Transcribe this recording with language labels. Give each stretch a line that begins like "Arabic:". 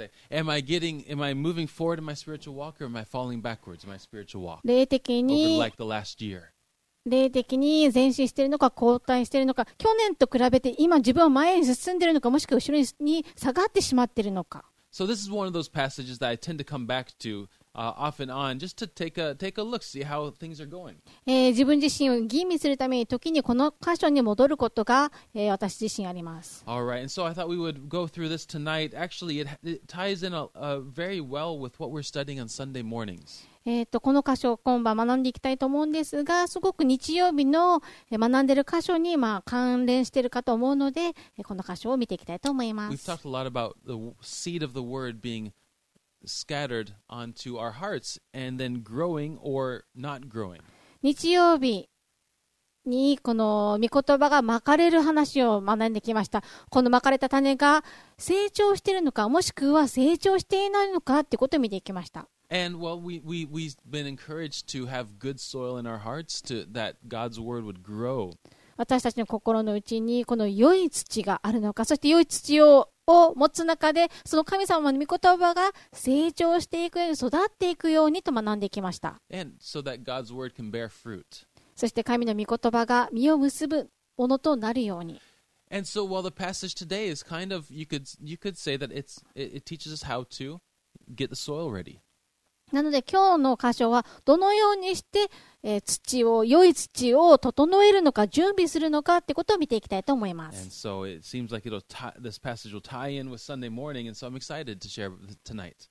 English: Am I moving forward in my spiritual walk or am I falling backwards in my spiritual walk?
Japanese: 霊的に、
English: over like the last year.
Japanese: 霊的に前進しているのか後退しているのか、去年と比べて今自分は前に進んでいるのか、もしくは後ろに下がってしまっているのか。
English: So this is one of those passages that I tend to come back to off and on just to take a look, see how things are going.
Japanese: 自分自身を吟味するために時にこの箇所に戻ることが、私自身あります。
English: All right, and so I thought we would go through this tonight. Actually, it ties in very well with what we're studying on Sunday mornings.
Japanese: この箇所を今晩学んでいきたいと思うんですが、すごく日曜日の学んでる箇所にまあ関連しているかと思うので、この箇所を見ていきたいと思います。
English: We've talked a lot about the seed of the word being scattered onto our hearts and then growing or not growing.
Japanese: 日曜日にこの御言葉がまかれる話を学んできました。このまかれた種が成長しているのか、もしくは成長していないのかということを見ていきました。
English: And well, we've been encouraged to have good soil in our hearts to that God's word would grow.
Japanese: 私たちの心の内にこの良い土があるのか、そして良い土をを持つ中でその神様の御言葉が成長していくように育っていくようにと学んできました。
English: And so that God's word can bear fruit.
Japanese: そして神の御言葉が実を結ぶものとなるように。
English: And so while the passage today is kind of you could say that it teaches us how to get the soil ready.
Japanese: なので今日の箇所はどのようにして土を良い土を整えるのか準備するのかってことを見ていきたいと思います。
English: And so it seems like this passage will tie in with Sunday morning, and so I'm excited to share tonight.